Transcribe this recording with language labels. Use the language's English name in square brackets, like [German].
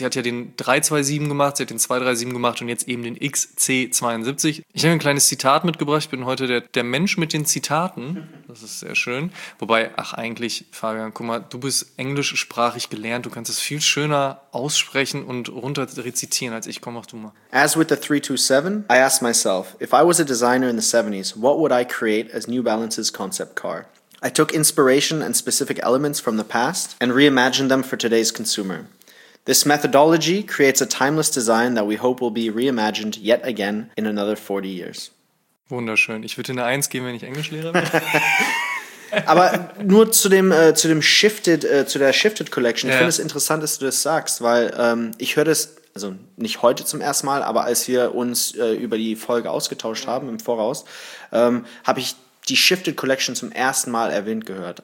[German] Sie hat ja den 327 gemacht, sie hat den 237 gemacht und jetzt eben den XC72. Ich habe ein kleines Zitat mitgebracht, ich bin heute der Mensch mit den Zitaten, das ist sehr schön. Wobei, ach eigentlich, Fabian, guck mal, du bist englischsprachig gelernt, du kannst es viel schöner aussprechen und runter rezitieren als ich, komm, mach du mal. [English] As with the 327, I asked myself, if I was a designer in the 70s, what would I create as New Balance's concept car? I took inspiration and specific elements from the past and reimagined them for today's consumer. This methodology creates a timeless design that we hope will be reimagined yet again in another 40 years. [German] Wunderschön. Ich würde eine 1 geben, wenn ich Englischlehrer wäre. Aber nur zu der Shifted Collection. Ich finde es interessant, dass du das sagst, weil ich höre das. Also nicht heute zum ersten Mal, aber als wir uns über die Folge ausgetauscht haben im Voraus, habe ich die Shifted Collection zum ersten Mal erwähnt gehört.